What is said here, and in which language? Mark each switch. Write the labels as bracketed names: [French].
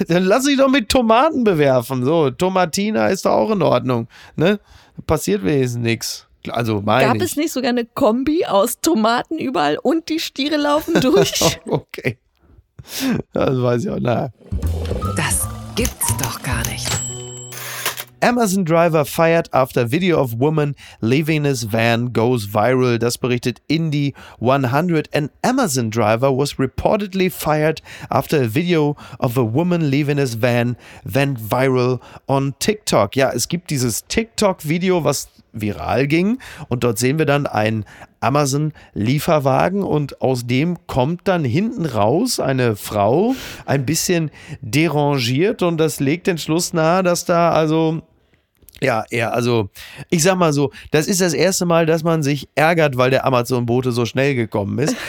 [German] Dann lass dich doch mit Tomaten bewerfen. So, Tomatina ist doch auch in Ordnung, ne? Passiert wenigstens nichts. Also, gab es nicht sogar eine Kombi aus Tomaten überall und die Stiere laufen durch? Okay. Das weiß ich auch nicht. Das gibt's doch gar nicht. [English] Amazon Driver fired after video of woman leaving his van goes viral. [German] Das berichtet Indy 100. [English] An Amazon Driver was reportedly fired after a video of a woman leaving his van went viral on TikTok. [German] Ja, es gibt dieses TikTok-Video, was viral ging. Und dort sehen wir dann einen Amazon-Lieferwagen. Und aus dem kommt dann hinten raus eine Frau, ein bisschen derangiert. Und das legt den Schluss nahe, dass da also... Ja, ja, also ich sag mal so, das ist das erste Mal, dass man sich ärgert, weil der Amazon-Bote so schnell gekommen ist.